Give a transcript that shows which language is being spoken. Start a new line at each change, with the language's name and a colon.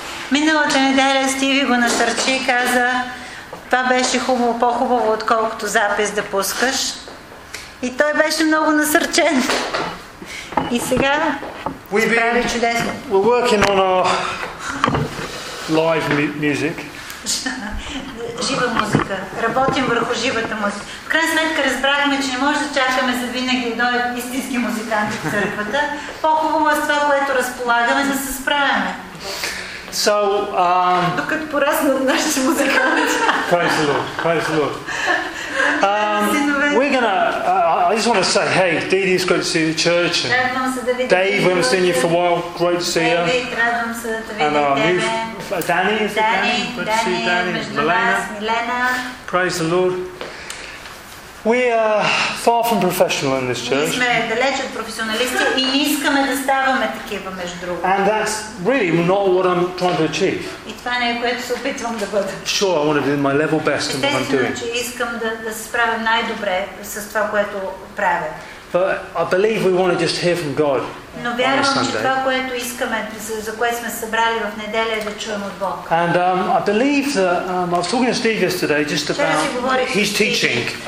Bulgarian: Миналата неделя Стиви го насърчи и каза, това беше хубаво, по-хубаво, отколкото запис да пускаш. И той беше много насърчен. И сега се прави чудесно.
English: We're working on our live music.
Bulgarian: Жива музика. Работим върху живата музика. В крайна сметка разбрахме, че не може да чакаме за винаги до истински музиканти в църквата. По-хубаво е с това, което разполагаме, да се справяме.
English: So,
Bulgarian: докато порасна от нашите музиканти.
English: Praise the Lord, praise the Lord. We're gonna. I just want to say, hey, Dee Dee, it's great to see the church. And Dave, we haven't seen you for a while. Great to see you. And our new Danny, is it Danny? Good to see Danny. Milena. Praise the Lord. We are far from professional in this church.
Bulgarian: Ние сме далеч от професионалисти и не искаме да ставаме такива между друго.
English: And that's really not what I'm trying to achieve.
Bulgarian: И това не е което се опитвам да бъда.
English: Sure, I want to do my level best in what I'm doing.
Bulgarian: Естествено, че искам да се справя най-добре с това, което правя.
English: But I believe we want to just hear from God.
Bulgarian: Но вярвам, че това, което искаме, за което сме събрали в неделя, е да чуем от Бог.
English: And I believe that I was talking to Steve yesterday just about his teaching